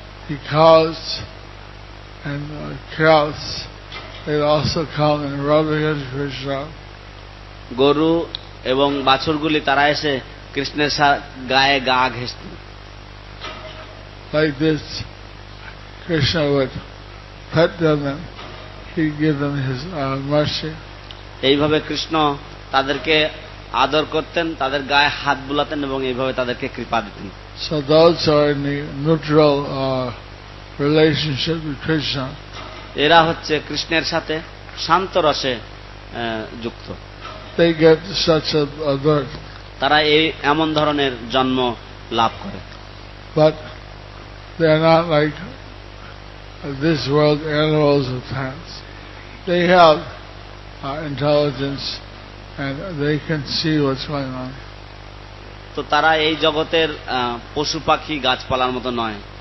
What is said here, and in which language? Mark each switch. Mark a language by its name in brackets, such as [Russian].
[English] He calls and cows they also come and rub against Krishna. [Bangla] গরু এবং বাছুরগুলি তারা এসে কৃষ্ণের গায়ে গা ঘেঁষত। [English] Like this, Krishna would pet them and he'd give them his mercy. [Bangla] এইভাবে কৃষ্ণ তাদেরকে আদর করতেন, তাদের গায়ে হাত বুলাতেন এবং এইভাবে তাদেরকে কৃপা দিতেন। [English] So those are in the neutral relationship with Krishna. [Bangla] এরা হচ্ছে কৃষ্ণের সাথে শান্ত রসে যুক্ত। [English] They get such a birth. [Bangla] তারা এই এমন ধরনের জন্ম লাভ করে। [English] But they are not like this world animals or plants. They have intelligence and they can see what's going on. [Bangla] তো তারা এই জগতের পশু পাখি গাছপালার মতো নয়।